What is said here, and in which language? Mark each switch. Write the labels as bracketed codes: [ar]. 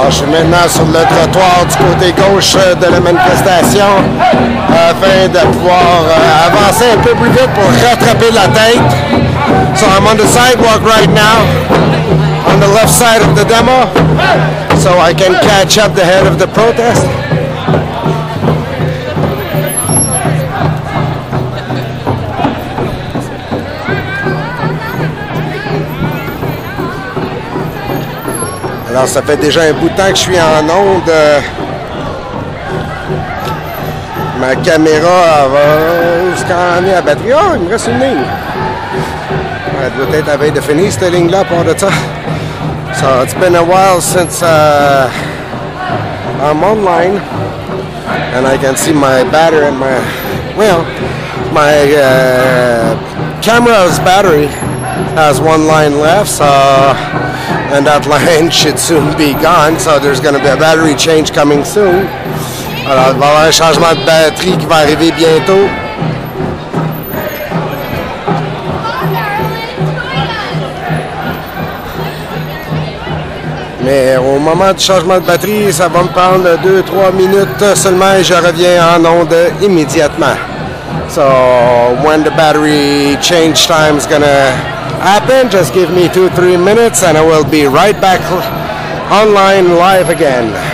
[fr] Maintenant sur le trottoir du côté gauche de la manifestation afin de pouvoir avancer un peu plus vite pour rattraper la tête. [en] So I'm on the sidewalk right now on the left side of the demo so I can catch up the head of the protest. [fr] Alors, ça fait déjà un bout de temps que je suis en onde. Ma caméra avance quand on est à batterie. Ah, il me reste une ligne. Elle doit être à veille de finir, cette ligne-là, à part de ça. [en] So, it's been a while since I'm online. And I can see my battery and my... Well, my camera's battery has one line left, so... And that line should soon be gone, so there's going to be a battery change coming soon. [fr] Alors, il va y avoir un changement de batterie qui va arriver bientôt. Mais au moment du changement de batterie, ça va me prendre 2-3 minutes seulement et je reviens en onde immédiatement. [en] So, when the battery change time is going to happen, just give me 2-3 minutes and I will be right back online live again.